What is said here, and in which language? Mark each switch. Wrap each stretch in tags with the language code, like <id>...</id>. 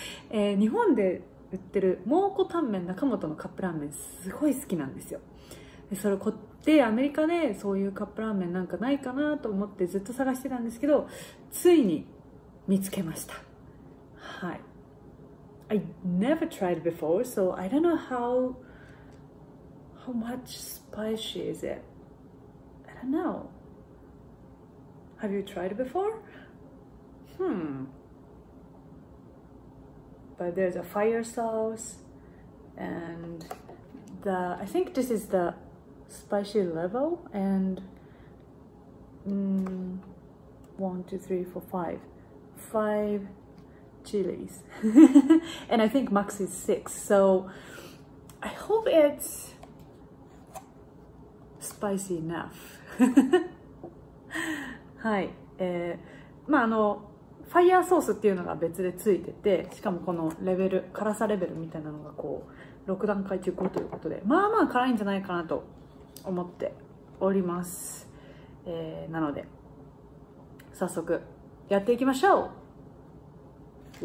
<ja>日本で売ってる蒙古タンメン中本のカップラーメンすごい好きなんですよ。それこでアメリカでそういうカップラーメンなんかないかなと思ってずっと探してたんですけど、ついに見つけました。はい。</ja> <en>I never tried before, so I don't know how much spicy is it. I don't know. Have you tried before? But there's a fire sauce, and I think this is the spicy level, and 1, 2, 3, 4, 5. 5 chilies and I think max is 6 so I hope it's spicy enough</en> <ja>はい、まああのファイヤーソースっていうのが別でついてて、しかもこのレベル辛さレベルみたいなのがこう6段階中5ということで、まあまあ辛いんじゃないかなと思っております。なので早速やっていきましょう。</ja>